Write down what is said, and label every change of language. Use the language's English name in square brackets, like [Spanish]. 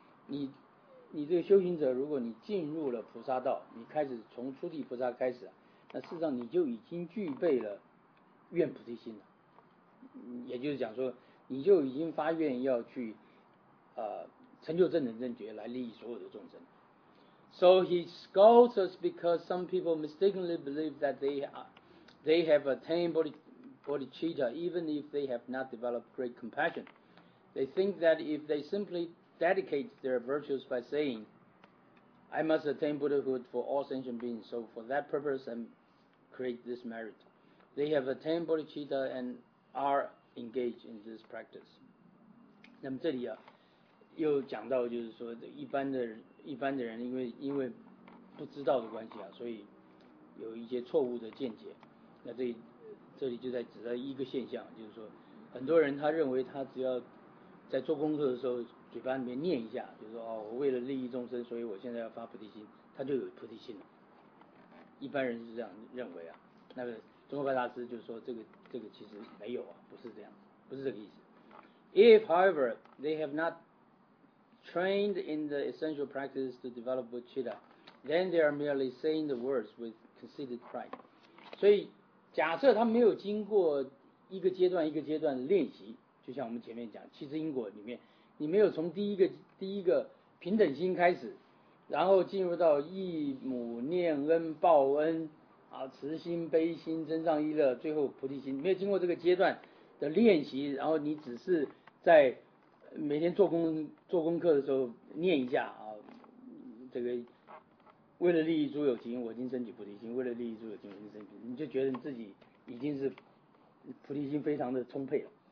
[Chinese] 你这个修行者，如果你进入了菩萨道，你开始从初地菩萨开始，那事实上你就已经具备了愿菩提心了，也就是讲说你就已经发愿要去成就正等正觉，来利益所有的众生。 [English] So he scolds us because some people mistakenly believe that they have attained bodhicitta even if they have not developed great compassion. They think that if they simplydedicate their virtues by saying, I must attain Buddhahood for all sentient beings, so for that purpose I create this merit. They have attained bodhicitta and are engaged in this practice. [Chinese] 那么这里啊，又讲到就是说，一般的人因为不知道的关系啊，所以有一些错误的见解。那这里就在指的一个现象，就是说，很多人他认为他只要在做功课的时候。嘴巴里面念一下，就是说哦，我为了利益众生，所以我现在要发菩提心，他就有菩提心了。一般人是这样认为啊，那个中国白大师就说这个其实没有啊，不是这样，不是这个意思。 [English] If, however, they have not trained in the essential practice to develop bodhicitta, then they are merely saying the words with conceited pride. [Chinese] 所以假设他没有经过一个阶段一个阶段的练习，就像我们前面讲七支因果里面。你没有从第一个平等心开始，然后进入到义母念恩报恩啊，慈心悲心增上一乐，最后菩提心，没有经过这个阶段的练习，然后你只是在每天做功课的时候念一下啊，这个为了利益诸有情，我今升起菩提心；为了利益诸有情，我今升起，你就觉得自己已经是菩提心非常的充沛了。